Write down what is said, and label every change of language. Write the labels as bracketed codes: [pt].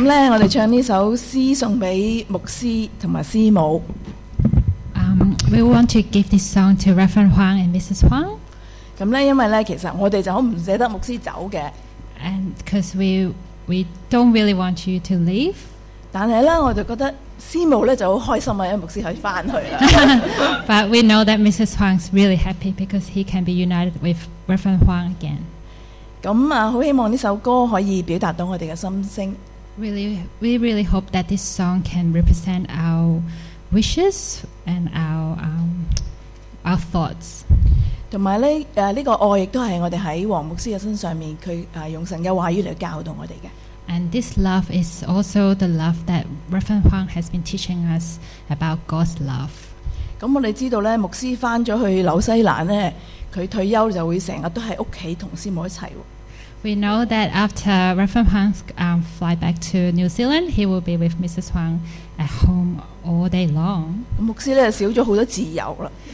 [yue] 我哋唱呢首诗送俾牧师同埋师母。 [en] We want to give this song to Reverend Huang and Mrs. Huang。 [yue] 咁咧，因为咧，其实我哋就好唔舍得牧师走嘅。 [en] And because we don't really want you to leave。 [yue] 但系咧，我就觉得师母咧就好开心啊，因为牧师可以翻去啦。 [en] But we know that Mrs. Huang is really happy because he can be united with Reverend Huang again。 [yue] 咁啊，好希望呢首歌可以表达到我哋嘅心声。 [en] Really, we really hope that this song can represent our wishes and our thoughts. [yue] 同埋咧，呢個愛亦都係我哋喺王牧師嘅身上面，佢用神嘅話語嚟教導我哋嘅。 [en] And this love is also the love that Reverend Huang has been teaching us about God's love. [yue] 咁我哋知道咧，牧師翻咗去紐西蘭咧，佢退休就會成日都喺屋企同師母一齊。 [en] We know that after Reverend Huang fly back to New Zealand, he will be with Mrs. Huang at home all day long. [yue] 牧師咧少咗好多自由啦。